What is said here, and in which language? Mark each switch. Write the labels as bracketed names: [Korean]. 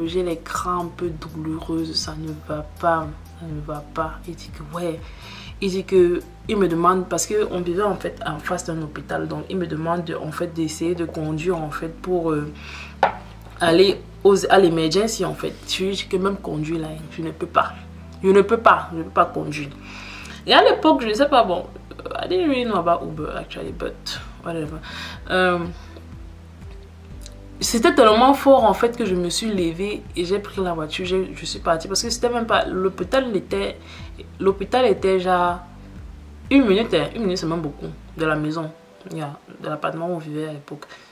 [French] J'ai les crampes douloureuses. Ça ne va pas. Ça ne va pas. Il dit que, ouais. Il dit que, il me demande, parce qu'on vivait en fait en face d'un hôpital. Donc, il me demande de, en fait, d'essayer de conduire en fait pour aller à l'emergency en fait. Je dis que même conduire là, je ne peux pas. Je ne peux pas conduire. Et à l'époque, je ne sais pas, bon, [English] I didn't really know about Uber actually, but whatever. [French] C'était tellement fort en fait que je me suis levée et j'ai pris la voiture, je suis partie. Parce que c'était même pas, l'hôpital était déjà une minute c'est même beaucoup, de la maison, yeah, de l'appartement où on vivait à l'époque.